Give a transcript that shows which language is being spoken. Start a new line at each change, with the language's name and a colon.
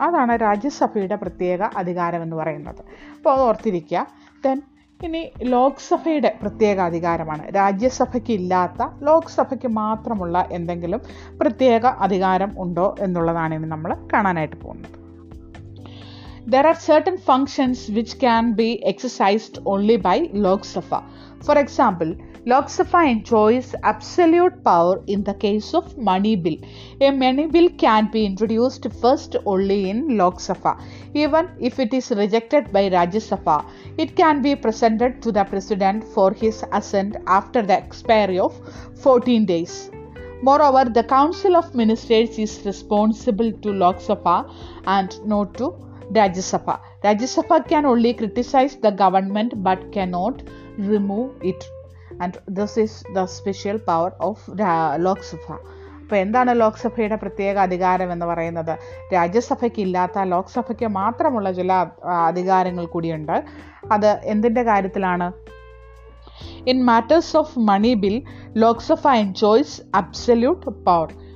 Malayalam: അതാണ് രാജ്യസഭയുടെ പ്രത്യേക അധികാരം എന്ന് പറയുന്നത്. അപ്പോൾ ഓർത്തിരിക്കുക. ദെൻ ഇനി ലോക്സഭയുടെ പ്രത്യേക അധികാരമാണ്. രാജ്യസഭയ്ക്കില്ലാത്ത, ലോക്സഭയ്ക്ക് മാത്രമുള്ള എന്തെങ്കിലും പ്രത്യേക അധികാരം ഉണ്ടോ എന്നുള്ളതാണ് ഇനി നമ്മൾ കാണാനായിട്ട് പോകുന്നത്.
English: There are certain functions which can be exercised only by Lok Sabha. For example, Lok Sabha enjoys absolute power in the case of money bill. A money bill can be introduced first only in Lok Sabha. Even if it is rejected by Rajya Sabha, it can be presented to the president for his assent after the expiry of 14 days. Moreover, the Council of Ministers is responsible to Lok Sabha and not to Rajya Sabha. Rajya Sabha can only criticize the government but cannot remove it. And this is the special power of Lok Sabha.
Malayalam: അപ്പോൾ എന്താണ് ലോക്സഭയുടെ പ്രത്യേക അധികാരം എന്ന് പറയുന്നത്? രാജ്യസഭയ്ക്കില്ലാത്ത ലോക്സഭയ്ക്ക് മാത്രമുള്ള ചില അധികാരങ്ങൾ കൂടിയുണ്ട്. അത് എന്തിൻ്റെ കാര്യത്തിലാണ്?
English: In matters of money bill Lok Sabha enjoys absolute power.